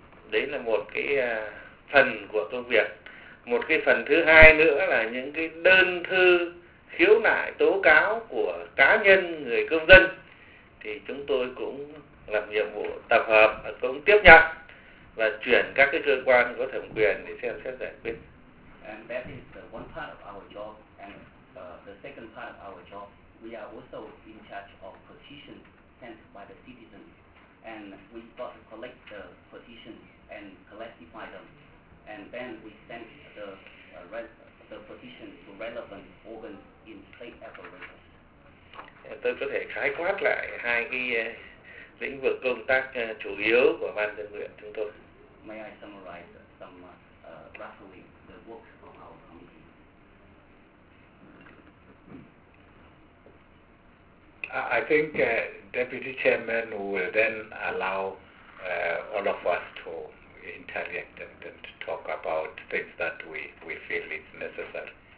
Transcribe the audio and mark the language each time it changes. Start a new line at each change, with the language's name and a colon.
Vietnamese: Đấy là một cái phần của công việc. Một cái phần thứ hai nữa là những cái đơn thư khiếu nại tố cáo của cá nhân người công dân thì chúng tôi cũng làm nhiệm vụ tập hợp, cũng tiếp nhận và chuyển các cái cơ quan có thẩm quyền để xem xét giải quyết.
English: And that is the one part of our job. And the second part of our job, we are also in charge of petitions sent by the citizens. And we got to collect the petitions and classify them, and then we send the petition to relevant organs in state apparatus.
Vietnamese: Tôi có thể khái quát lại hai cái lĩnh vực công tác chủ yếu của ban dân nguyện chúng tôi.
English: May I summarize some roughly the work of our committee? I think Deputy Chairman will then allow all of us to interact and talk about things that we feel is necessary.